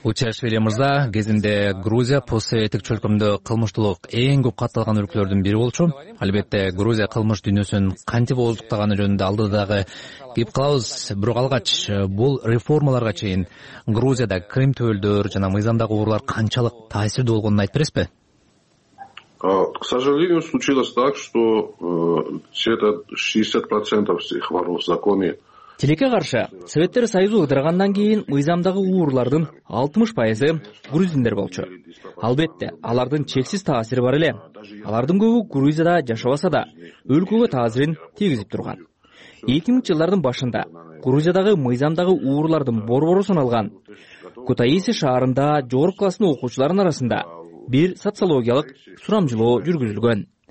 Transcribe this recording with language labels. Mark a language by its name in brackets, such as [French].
[Kyrgyz] Утиашвили мырза, кезинде Грузия постсоветтик чөлкөмдө кылмыштуулук эң көп катталган өлкөлөрдүн бири болчу. Албетте Грузия кылмыш дүйнөсүн кантип ооздуктаганы жөнүндө алдыдагы кип кылабыз. Бирок алгач бул реформаларга чейин Грузияда крим төбөлдөр жана мыйзамдагы уурлар канчалык таасирдүү болгонун айтып бересизби? [Russian] К сожалению, случилось так, что все это 60% всех воров в законе. [Kyrgyz] Тилекке каршы Советтер Союзу ыдыргандан кийин мыйзамдагы уурлардын 60% грузиндер болчу. Албетте, алардын чексиз таасири бар эле. Алардын көбү Грузияда жашабаса да, өлкөгө таасирин тийгизип турган. 2000 жылдардын башында Грузиядагы мыйзамдагы уурлардын борбору саналган Кутаиси шаарында жогорку класстын окуучуларынын арасында бир социологиялык сурамжылоо жүргүзүлгөн.